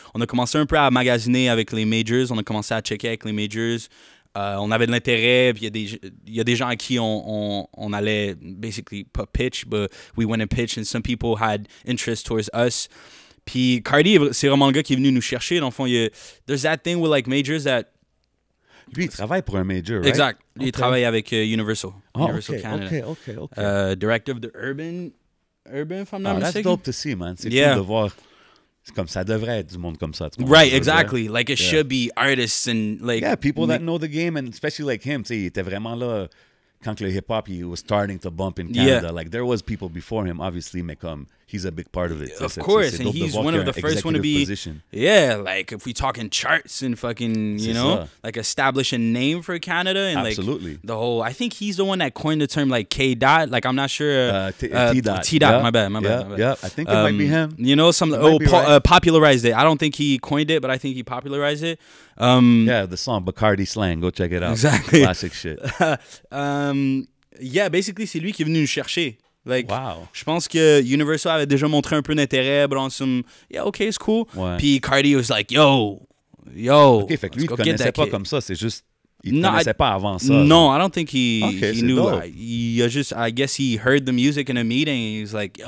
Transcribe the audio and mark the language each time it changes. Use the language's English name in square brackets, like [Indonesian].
[French] On a commencé un peu à magasiner avec les majors, on a commencé à checker avec les majors. On avait de l'intérêt, puis il y a des gens à qui on allait, [English] basically, pas pitch, but we went and pitch, and some people had interest towards us. [French] Puis Cardi, c'est vraiment le gars qui est venu nous chercher. Dans le fond, [English] there's that thing with like majors that... [French] Lui, il travaille pour un major, right? Exact. Okay. Il travaille avec Universal. [English] Oh, Universal okay. Canada. OK, OK, OK. Director of the Urban, if I'm not mistaken. That's dope to see, man. C'est yeah. [French] cool de voir. C'est comme ça devrait être du monde comme ça. [English] Right, sais, exactly. Vrai? Like, it yeah. should be artists and like... Yeah, people that know the game, and especially like him, [French] tu sais, il était vraiment là quand le hip-hop, [English] he was starting to bump in Canada. Yeah. Like, there was people before him, obviously, [French] mais comme... [English] He's a big part of it. Of course, and he's one of the first one to be. Position. Yeah, like if we talk in charts and fucking, you know, like establish a name for Canada and absolutely. Like the whole. I think he's the one that coined the term like K dot. Like I'm not sure. T dot. T dot. Yeah. My bad. Yeah, I think it might be him. You know, some popularized it. I don't think he coined it, but I think he popularized it. Yeah, the song Bacardi Slang. Go check it out. Exactly. Classic shit. yeah, basically, [French] c'est lui qui est venu nous chercher. [English] Like, wow. [French] Je pense que Universal avait déjà montré un peu d'intérêt, [English] but on some, yeah, okay, it's cool. [French] Ouais. Puis [English] Cardi was like, yo. [French] Okay, fait que lui, il connaissait pas comme ça, c'est juste, il no, connaissait pas avant ça. [English] Non, I don't think he knew. [French] Il a juste, [English] I guess he heard the music in a meeting, and he was like, yo,